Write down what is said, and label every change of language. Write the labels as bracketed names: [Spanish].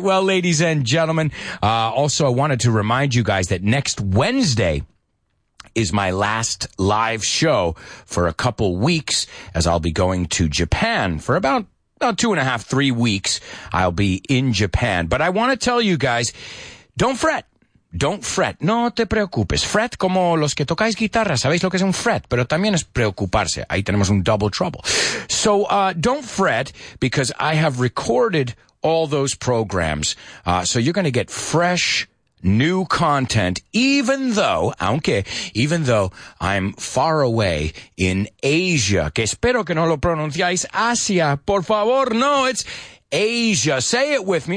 [English] Well, ladies and gentlemen, also I wanted to remind you guys that next Wednesday is my last live show for a couple weeks as I'll be going to Japan for about 2.5-3 weeks. I'll be in Japan, but I want to tell you guys, don't fret. Don't fret. [Spanish] No te preocupes. Fret como los que tocáis guitarra. Sabéis lo que es un fret, pero también es preocuparse. Ahí tenemos un [English] double trouble. So, don't fret because I have recorded all those programs. So you're going to get fresh, new content, even though I'm far away in Asia. [Spanish] Que espero que no lo pronunciáis Asia. Por favor, no, [English] it's Asia. Say it with me.